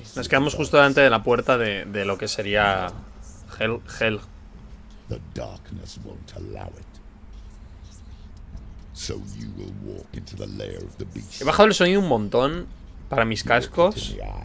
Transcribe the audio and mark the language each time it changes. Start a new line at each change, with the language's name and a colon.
Spanish: Nos quedamos justo delante de la puerta de lo que sería Hell.
English: The darkness won't allow it. So you will walk into the lair of the beast.
Spanish: He bajado el sonido un montón para mis cascos.